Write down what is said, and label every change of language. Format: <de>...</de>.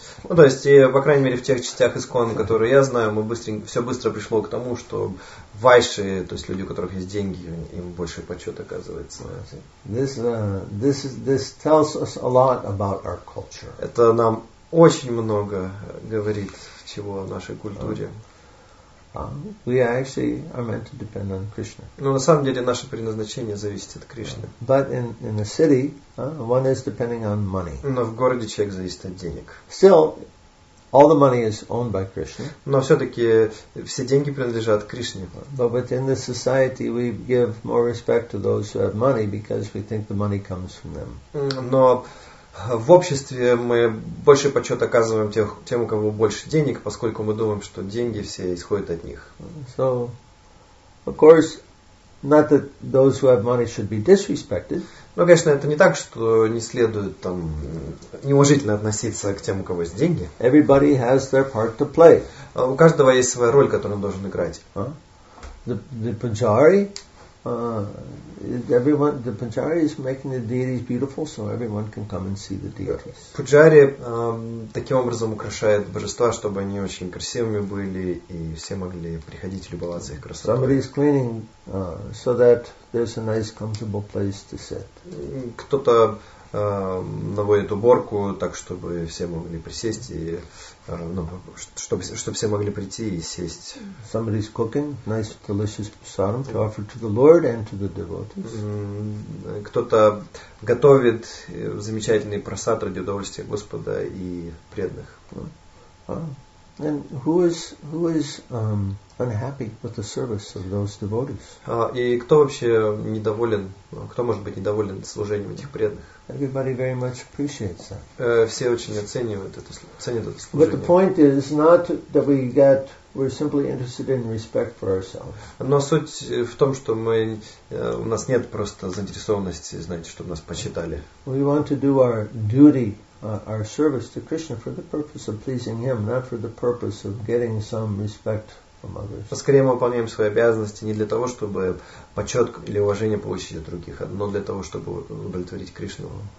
<ru>Ну, то есть, по крайней мере, в тех частях ИСККОН, которые я знаю, все быстро пришло к тому, что вайши, то есть люди, у которых есть деньги, им больше почет оказывается.</ru> <en>This tells us a lot about our culture.</en> <ru>Это нам очень много говорит чего о нашей культуре.</ru> <en>We actually are meant to depend on Krishna.</en> <ru>Но на самом деле наше предназначение зависит от Кришны.</ru> <en>But in the city, one is depending on money.</en> <ru>Но в городе человек зависит от денег.</ru> <en>Still, all the money is owned by Krishna.</en> <ru>Но все-таки все деньги принадлежат Кришне.</ru> <en>But within the society, we give more respect to those who have money because we think the money comes from them.</en> <ru>Но в обществе мы больше почет оказываем тем, у кого больше денег, поскольку мы думаем, что деньги все исходят от них.</ru> <en>So, of course, not that those who have money should be disrespected.</en> <ru>Но, конечно, это не так, что не следует там неуважительно относиться к тем, у кого есть деньги.</ru> <en>Everybody has their part to play.</en> <ru>У каждого есть своя роль, которую он должен играть.</ru> <en>The pujari. The pujari is making the deities beautiful, so everyone can come and see the deities.</en> <ru>Пуджари таким образом украшает божества, чтобы они очень красивыми были и все могли приходить и любоваться их красотой.</ru> <en>Somebody is cleaning so that there's a nice, comfortable place to sit.</en> <ru>Кто-то наводит уборку, так чтобы все могли присесть и чтобы все могли прийти и сесть.</ru> <en>Somebody is cooking nice, delicious prasadam to offer to the Lord and to the devotees.</en> <ru>Кто-то готовит замечательный прасад ради удовольствия Господа и преданных.</ru> <en>And who is unhappy with the service of those devotees?</en> <ru>И кто вообще недоволен? Кто может быть недоволен служением этих преданных?</ru> <en>Everybody very much appreciates that.</en> <ru>Все очень оценивают это, ценят это служение.</ru> <en>But the point is not that we're simply interested in respect for ourselves.</en> <ru>Но суть в том, что у нас нет просто заинтересованности, знаете, чтобы нас почитали.</ru> <en>We want to do our duty. Our service to Krishna for the purpose of pleasing Him, not for the purpose of getting some respect from others.</en> <ru>Скорее мы выполняем свои обязанности не для того, чтобы почет или уважение получить от других, но для того, чтобы удовлетворить Кришну.</ru>